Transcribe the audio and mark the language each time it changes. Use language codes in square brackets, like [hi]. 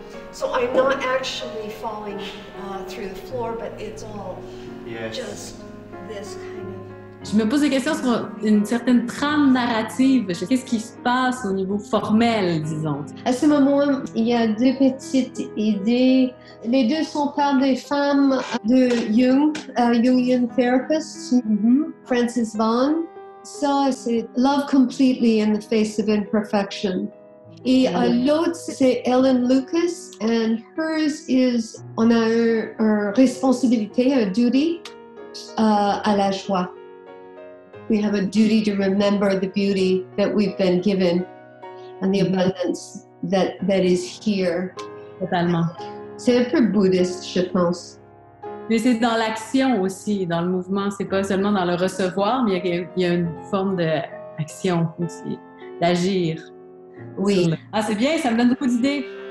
[en] So I'm not actually falling through the floor, but it's all just this kind of. [fr] Je me pose des questions sur une certaine trame narrative. Qu'est-ce qui se passe au niveau formel, disons? À ce moment, il y a deux petites idées. Les deux sont par des femmes de Jung, [en] Jungian therapist, [fr] Frances Vaughan. Ça, c'est « [en] Love completely in the face of imperfection ». [fr] Et l'autre, c'est Ellen Lucas, [en] and hers is [fr] « On a une responsabilité, un duty à la joie ». [en] We have a duty to remember the beauty that we've been given and the abundance that is here. [fr] Totalement. C'est un peu bouddhiste, je pense. Mais c'est dans l'action aussi, dans le mouvement. C'est pas seulement dans le recevoir, mais il y a une forme d'action aussi. d'agir. Oui. Ah, c'est bien, ça me donne beaucoup d'idées.